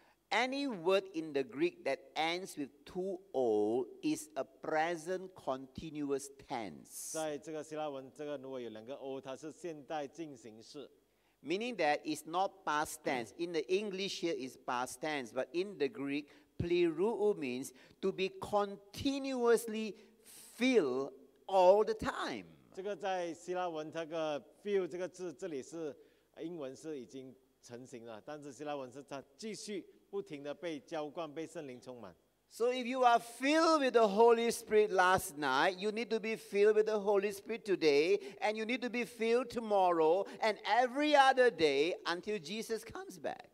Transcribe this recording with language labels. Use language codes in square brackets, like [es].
[en] Any word in the Greek that ends with two O is a present continuous tense. [zh] 在这个希腊文，这个如果有两个O，它是现代进行式。 [en] Meaning that it's not past tense. In the English here is past tense, but in the Greek, pleroo means to be continuously filled all the time. [zh] 这个在希腊文，这个fill这个字，这里是英文是已经成型了，但是希腊文是它继续。不停地被浇灌, [en] so if you are filled with the Holy Spirit last night, you need to be filled with the Holy Spirit today, and you need to be filled tomorrow, and every other day until Jesus comes back.